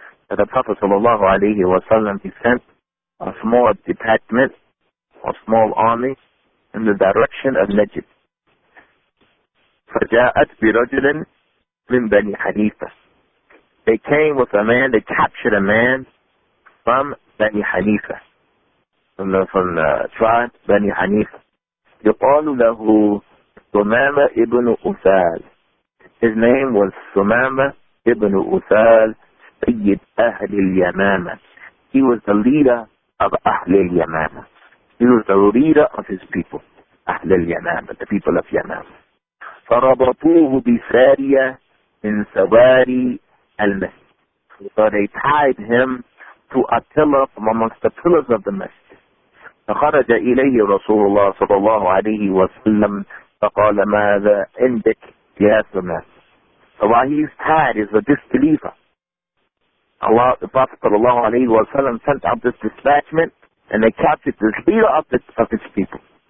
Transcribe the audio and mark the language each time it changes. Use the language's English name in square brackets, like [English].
[English] That the Prophet صلى الله عليه وسلم, he sent a small detachment, a small army, in the direction of Najd. [Arabic] فَجَاءَتْ بِرَجُلٍ مِنْ بَنِي حَنِيفَةٍ. [English] They came with a man, they captured a man, from Bani Hanifa, from the tribe Bani Hanifa. [Arabic] يقالوا له سمامة ابن أثال. [English] His name was [Arabic] سمامة ابن أثال سيد أهل اليمامة. [English] He was the leader of أهل اليمامة. He was the leader of his people, أهل اليمامة, the people of Yamam. [Arabic] فربطوه بسارية من سواري المسجد. [English] So they tied him to a pillar from amongst the pillars of the masjid. [Arabic] فخرج إليه رسول الله صلى الله عليه وسلم فقال ماذا عندك يا سمامة. [English] So while he is tied, he's a disbeliever, Allah, the Prophet صلى الله عليه وسلم sent out this dispatchment and they captured this leader of his people.